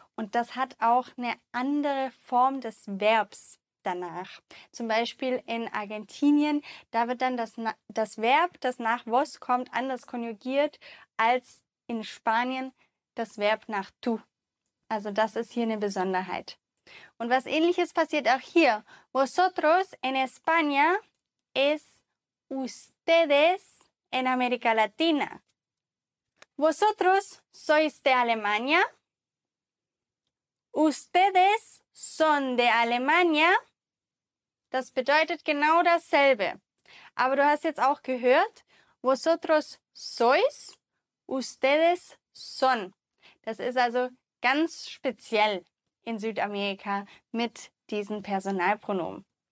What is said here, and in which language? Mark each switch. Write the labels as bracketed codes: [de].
[de] Und das hat auch eine andere Form des Verbs danach. Zum Beispiel in Argentinien, da wird dann das Verb, das nach Vos kommt, anders konjugiert als in Spanien das Verb nach tu. Also das ist hier eine Besonderheit. Und was ähnliches passiert auch hier. [es] Vosotros en España es ustedes en América Latina. Vosotros sois de Alemania. Ustedes son de Alemania. [de] Das bedeutet genau dasselbe. Aber du hast jetzt auch gehört, [es] vosotros sois. Ustedes son. [de] Das ist also ganz speziell in Südamerika mit diesen Personalpronomen.